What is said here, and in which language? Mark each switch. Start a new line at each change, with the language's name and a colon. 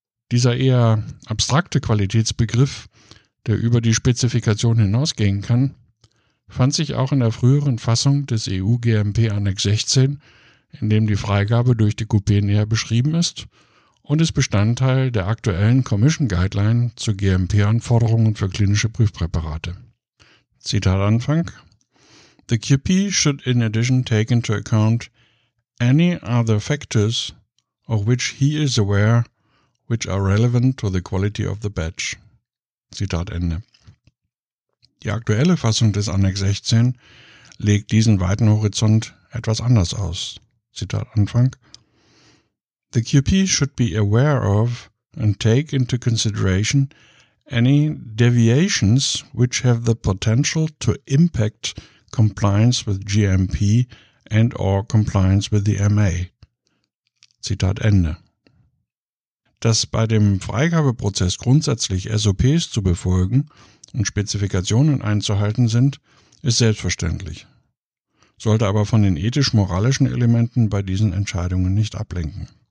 German: Dieser eher abstrakte Qualitätsbegriff, der über die Spezifikation hinausgehen kann, fand sich auch in der früheren Fassung des EU-GMP Annex 16, in dem die Freigabe durch die Coupé näher beschrieben ist und ist Bestandteil der aktuellen Commission Guideline zu GMP-Anforderungen für klinische Prüfpräparate. Zitat Anfang:
English: The QP should in addition take into account any other factors of which he is aware which are relevant to the quality of the batch.
German: Zitat Ende. Die aktuelle Fassung des Annex 16 legt diesen weiten Horizont etwas anders aus. Zitat Anfang:
English: The QP should be aware of and take into consideration any deviations which have the potential to impact compliance with GMP and or compliance with the MA.
German: Zitat Ende. Dass bei dem Freigabeprozess grundsätzlich SOPs zu befolgen und Spezifikationen einzuhalten sind, ist selbstverständlich, sollte aber von den ethisch-moralischen Elementen bei diesen Entscheidungen nicht ablenken.